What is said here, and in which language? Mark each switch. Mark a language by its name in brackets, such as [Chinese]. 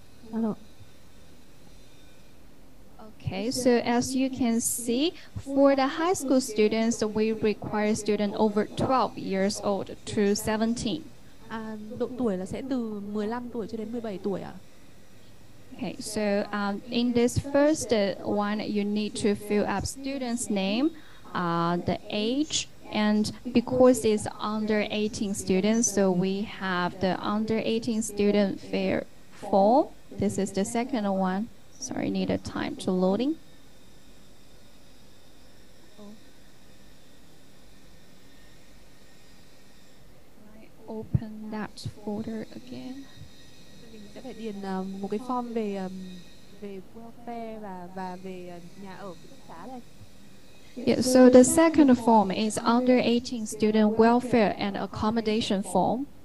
[English] Hello. Okay, so as you can see, for the high school students, we require student over 12 years old to 17. [Vietnamese] Độ tuổi là sẽ từ 15 tuổi cho đến 17 tuổi ạ. [English] Okay, so in this first one, you need to fill up student's name, the age, and because it's under 18 students, so we have the under 18 student fair form. This is the second one. Sorry, need a time to loading. I open that folder again. [Vietnamese] Mình sẽ phải điền một cái form về về welfare và về nhà ở ký túc xá đây. [English] Yeah, so the second form is under 18 student welfare and accommodation form.